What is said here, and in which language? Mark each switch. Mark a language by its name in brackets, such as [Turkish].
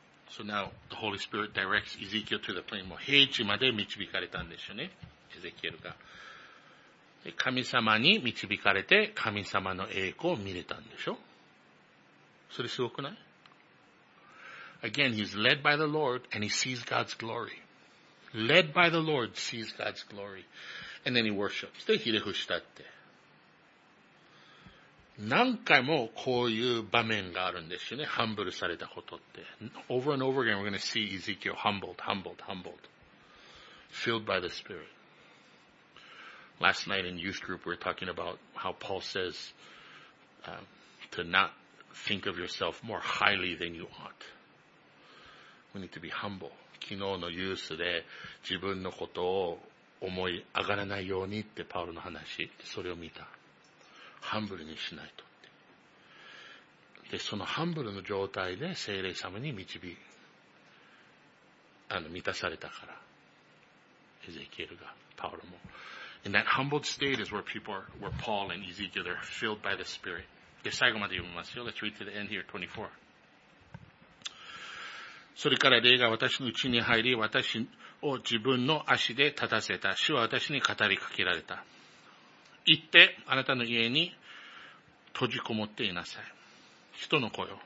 [English] So now the Holy Spirit directs Ezekiel to the plain. [Japanese] 平地まで導かれたんですよね、エゼキエルが。で、神様に導かれて神様の栄光を見れたんでしょ。それすごくない？ [English] Again, he's led by the Lord and he sees God's glory. Led by the Lord, sees God's glory, and then he worships. [Japanese] で、ひれ伏したって。何回もこういう場面があるんですよね。ハンブルされたことって。 [English] Over and over again, we're going to see Ezekiel humbled, humbled, humbled. Filled by the Spirit. Last night in youth group, we were talking about how Paul says, to not think of yourself more highly than you ought. We need to be humble. [Japanese] 昨日のユースで自分のことを思い上がらないようにってパウロの話、それを見た。ハンブルにしないとって。で、そのハンブルの状態で聖霊様に満たされたから。エゼキエルが、パウロも。 [English] In that humbled state is where people are, where Paul and Ezekiel are filled by the Spirit. [Japanese] で、最後まで読みますよ。 [English] Let's read to the end here, 24. [Japanese] それから霊が私の内に入り、私を自分の足で立たせた。主は私に語りかけられた。行って、あなたの家に閉じこもっていなさい。人の子よ。